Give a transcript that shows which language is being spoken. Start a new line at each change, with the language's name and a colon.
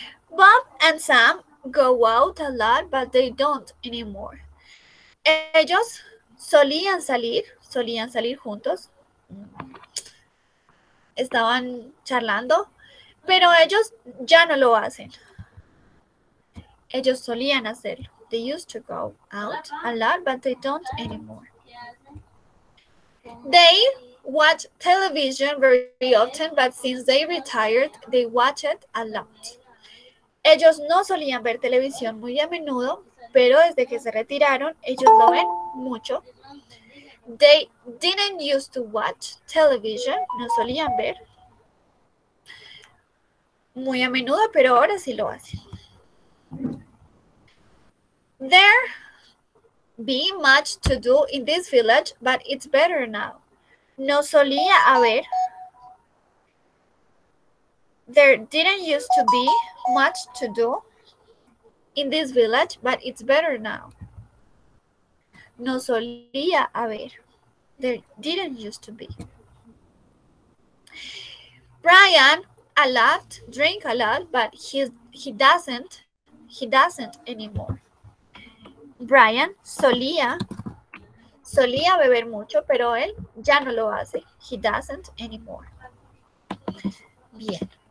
English: Bob and Sam go out a lot, but they don't anymore.
Spanish: Ellos solían salir juntos, estaban charlando, pero ellos ya no lo hacen. Ellos solían hacerlo.
English: They used to go out a lot, but they don't anymore. They watch television very often, but since they retired, they watch it a lot.
Spanish: Ellos no solían ver televisión muy a menudo, pero desde que se retiraron, ellos lo ven mucho.
English: They didn't used to watch television,
Spanish: no solían ver muy a menudo, pero ahora sí lo hacen. There be much to do in this village, but it's better now. No solía haber.
English: There didn't used to be much to do in this village, but it's better now.
Spanish: No solía haber.
English: There didn't used to be. Brian a lot, drink a lot, but he doesn't anymore.
Spanish: Brian solía beber mucho, pero él ya no lo hace.
English: He doesn't anymore. Bien.